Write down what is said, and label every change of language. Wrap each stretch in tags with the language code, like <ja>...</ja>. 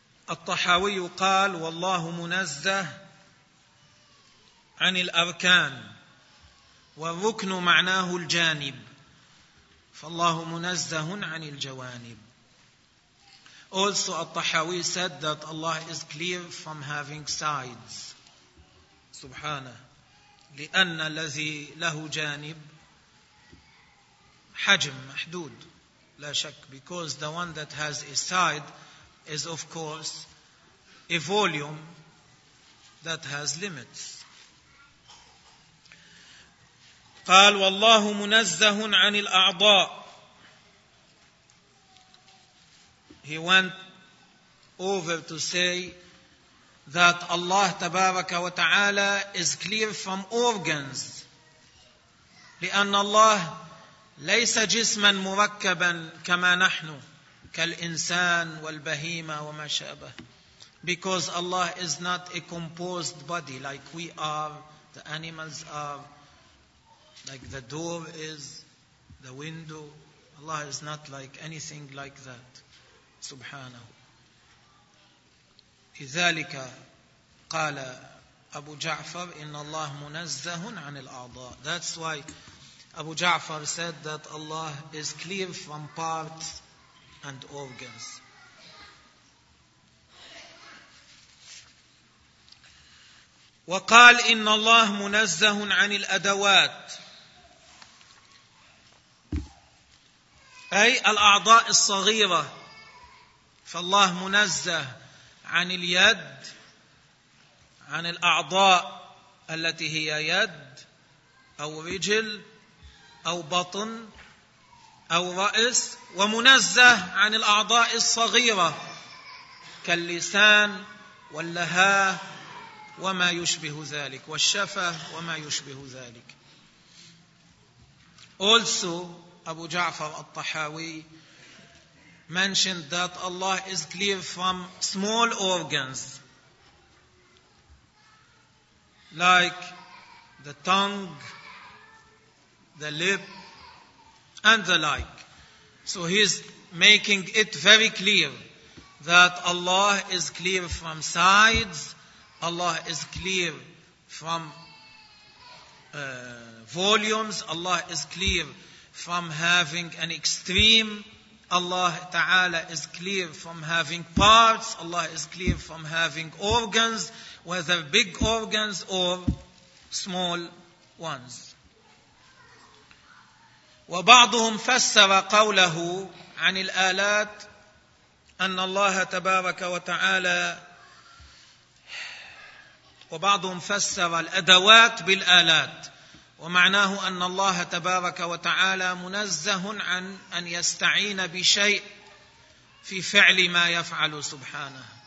<ar>الطحاوي قال والله منزه عن الأركان والركن معناه الجانب فالله منزه عن الجوانب.</ar> <en>Also الطحاوي said that Allah is clear from having sides.</en> <ar>سبحانه لأن الذي له جانب حجم محدود لا شك.</ar> <en>Because the one that has a side is of course a volume that has limits.</en> <ar>قال والله منزه عن الأعضاء.</ar> <en>He went over to say that Allah تبارك وتعالى is clear from organs.</en> <ar>لأن الله ليس جسما مركبا كما نحن كالإنسان والبهيمة وما شابه.</ar> <en>Because Allah is not a composed body like we are, the animals are, like the door is, the window. Allah is not like anything like that.</en> <ar>Subhanahu. لذلك قال أبو جعفر إن الله منزه عن الأعضاء.</ar> <en>That's why Abu Ja'far said that Allah is clear from parts and organs.</en> <ar>وقال إن الله منزه عن الأدوات أي الأعضاء الصغيرة. فالله منزه عن اليد, عن الأعضاء التي هي يد أو رجل أو بطن أو رأس ومنزه عن الأعضاء الصغيرة كاللسان واللهاة وما يشبه ذلك والشفة وما يشبه ذلك.</ar> <en>Also أبو جعفر الطحاوي mentioned that Allah is clear from small organs like the tongue, the lip, and the like. So he is making it very clear that Allah is clear from sides, Allah is clear from volumes, Allah is clear from having an extreme, Allah Ta'ala is clear from having parts, Allah is clear from having organs, whether big organs or small ones.</en> <ar>وبعضهم فسر قوله عن الآلات أن الله تبارك وتعالى وبعضهم فسر الأدوات بالآلات ومعناه أن الله تبارك وتعالى منزه عن أن يستعين بشيء في فعل ما يفعل سبحانه.</ar>